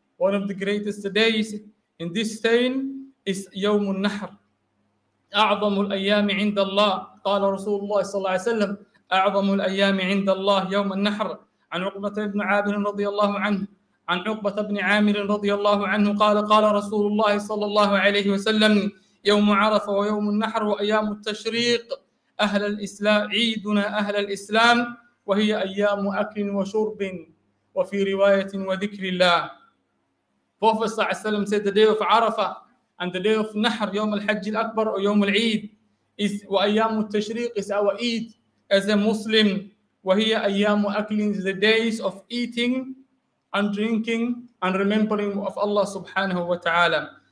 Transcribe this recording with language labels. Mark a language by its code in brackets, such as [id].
[en] One of the greatest days in this saying is [ar] yawm an-nahr. أعظم الأيام عند الله قال رسول الله صلى الله عليه وسلم أعظم الأيام عند الله يوم النحر. عن عقبة بن عامر رضي الله عنه عن عقبة بن عامر رضي الله عنه قال قال رسول الله صلى الله عليه وسلم يوم عرفة ويوم النحر وأيام التشريق أهل الإسلام عيدنا أهل الإسلام وهي أيام أكل وشرب وفي رواية وذكر الله. [en] Prophet [ar] صلى الله عليه وسلم [en] said the day of عرفة and the day of Nahr, [ar] Yawm al-Hajj al-Akbar [en] or [ar] Yawm al-Eid, [en] is [ar] wa ayyamu al-Tashriq, [en] is our Eid as a Muslim. [ar] Wa hiya ayyamu aklin, [en] is the days of eating and drinking and remembering of Allah [ar] subhanahu wa ta'ala.